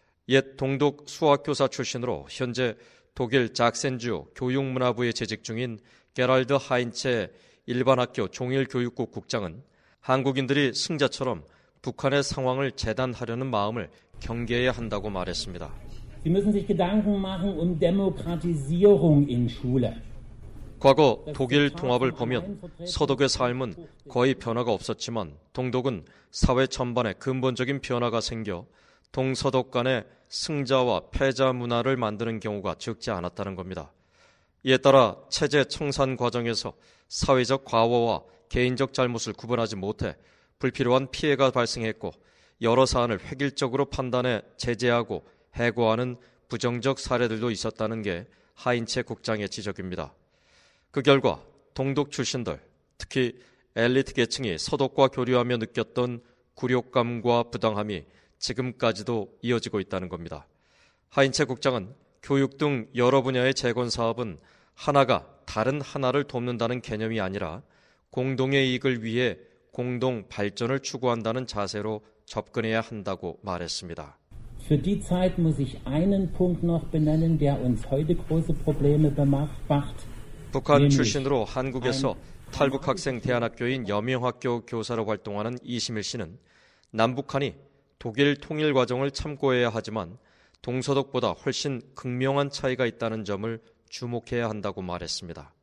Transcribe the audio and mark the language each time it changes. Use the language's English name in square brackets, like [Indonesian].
[Korean] 옛 동독 수학교사 출신으로 현재 독일 작센주 교육문화부에 재직 중인 게랄드 하인체 일반학교 종일교육국 국장은 한국인들이 승자처럼 북한의 상황을 재단하려는 마음을 경계해야 한다고 말했습니다. [German] Sie müssen sich Gedanken machen um Demokratisierung in Schule. [Korean] 과거 독일 통합을 보면 서독의 삶은 거의 변화가 없었지만 동독은 사회 전반에 근본적인 변화가 생겨 동서독 간의 승자와 패자 문화를 만드는 경우가 적지 않았다는 겁니다. 이에 따라 체제 청산 과정에서 사회적 과오와 개인적 잘못을 구분하지 못해 불필요한 피해가 발생했고 여러 사안을 획일적으로 판단해 제재하고 해고하는 부정적 사례들도 있었다는 게 하인체 국장의 지적입니다. 그 결과 동독 출신들, 특히 엘리트 계층이 서독과 교류하며 느꼈던 굴욕감과 부당함이 지금까지도 이어지고 있다는 겁니다. 하인체 국장은 교육 등 여러 분야의 재건 사업은 하나가 다른 하나를 돕는다는 개념이 아니라 공동의 이익을 위해 공동 발전을 추구한다는 자세로 접근해야 한다고 말했습니다. [German] Für die Zeit muss ich einen Punkt noch benennen, der uns heute große Probleme macht. [Korean] 북한 출신으로 한국에서 탈북학생 대안학교인 여명학교 교사로 활동하는 이시밀 씨는 남북한이 독일 통일 과정을 참고해야 하지만 동서독보다 훨씬 극명한 차이가 있다는 점을 주목해야 한다고 말했습니다.